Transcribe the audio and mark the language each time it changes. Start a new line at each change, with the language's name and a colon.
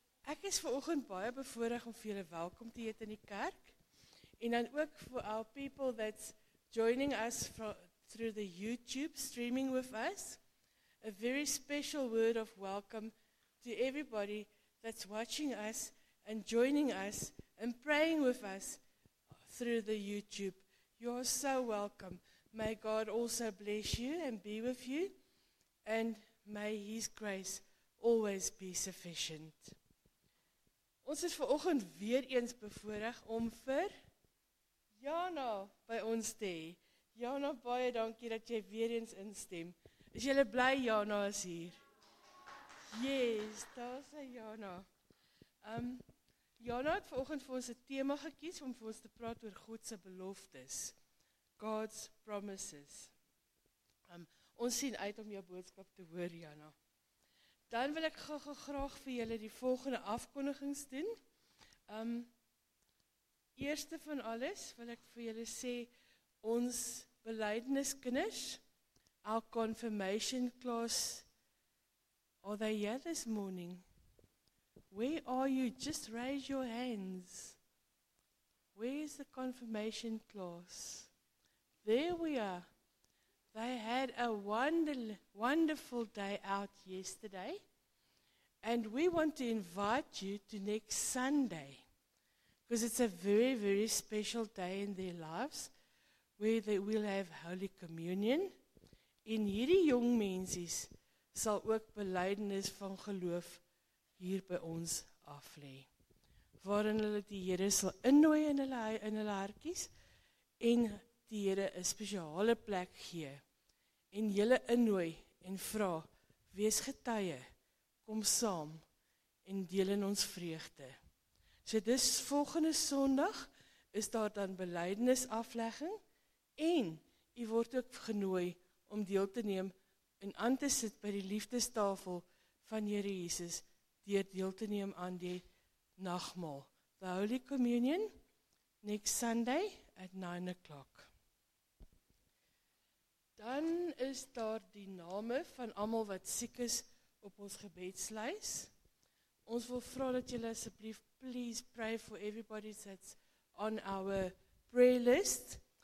Afrikaans: Ek is vanoggend baie bevoorreg om vir julle welkom te heet in die kerk. En dan ook
English: for our people that's joining us through the YouTube streaming with us. A very special word of welcome to everybody that's watching us and joining us and praying with us through the YouTube. You're so welcome. May God also bless you and be with you. And may His grace always be sufficient.
Afrikaans: Ons is vanoggend weer eens bevoorreg om vir Jana by ons te hê. Jana, baie dankie dat jy weer eens instem. Is jy bly Jana is hier? Yes, daar is Jana. Jana het vanoggend vir ons 'n tema gekies om vir ons te praat oor God se beloftes.
English: God's promises.
Afrikaans: Ons sien uit om jou boodskap te hoor, Jana. Dan wil ek graag vir julle die volgende afkondigings doen. Eerste van alles wil ek vir julle sê, ons belydeniskinders,
English: our confirmation class, are they here this morning? Where are you? Just raise your hands. Where is the confirmation class? There we are. They had a wonderful day out yesterday, and we want to invite you to next Sunday, because it's a very, very special day in their lives, where they will have Holy Communion.
Afrikaans: En hierdie jong mensies sal ook belydenis van geloof hier by ons aflê, waarin hulle die Here sal innooi in hulle hartjies, en die Here 'n spesiale plek gee. En julle innooi en vra, wees getuie, kom saam en deel in ons vreugde. So dis volgende Sondag is daar dan belydenisaflegging en u word ook genooi om deel te neem en aan te sit by die liefdestafel van Here Jesus deur deel te neem aan die nagmaal. The Holy Communion next Sunday at 9 o'clock. Dan is daar die name van almal wat siek is op ons gebedslys. Ons wil vra dat julle asseblief
English: please pray for everybody that's on our prayer list.